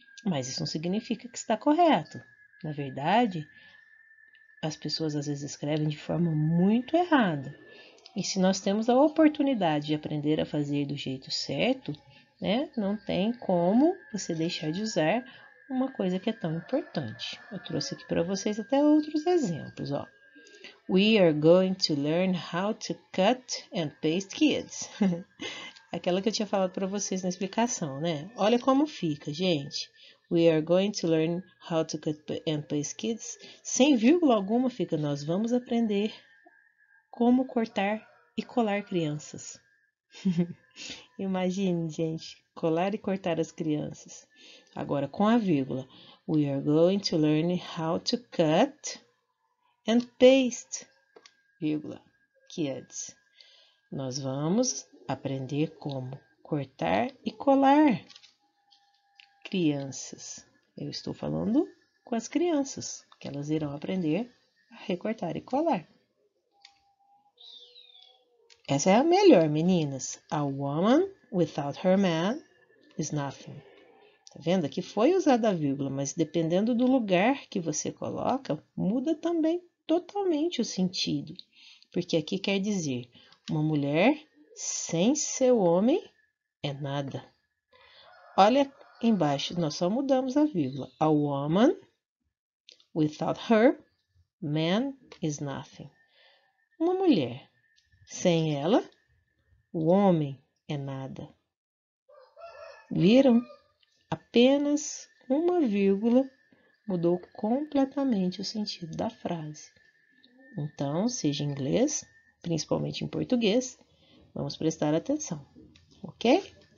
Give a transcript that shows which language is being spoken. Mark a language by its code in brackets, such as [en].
[pt] Mas isso não significa que está correto. Na verdade, as pessoas às vezes escrevem de forma muito errada. E se nós temos a oportunidade de aprender a fazer do jeito certo, né? Não tem como você deixar de usar uma coisa que é tão importante. Eu trouxe aqui para vocês até outros exemplos, ó. [en] We are going to learn how to cut and paste kids. [pt] Aquela que eu tinha falado para vocês na explicação, né? Olha como fica, gente. [en] We are going to learn how to cut and paste kids. [pt] Sem vírgula alguma fica: nós vamos aprender como cortar e colar crianças. Imagine, gente, colar e cortar as crianças. Agora com a vírgula. [en] We are going to learn how to cut and paste, vírgula, kids. [pt] Nós vamos aprender como cortar e colar crianças. Eu estou falando com as crianças, que elas irão aprender a recortar e colar. Essa é a melhor, meninas. [en] A woman without her man is nothing. [pt] Tá vendo? Aqui foi usada a vírgula, mas dependendo do lugar que você coloca, muda também totalmente o sentido. Porque aqui quer dizer: uma mulher sem seu homem é nada. Olha embaixo, nós só mudamos a vírgula. [en] A woman without her man is nothing. [pt] Uma mulher sem ela, o homem é nada. Viram? Apenas uma vírgula mudou completamente o sentido da frase. Então, seja em inglês, principalmente em português, vamos prestar atenção, ok?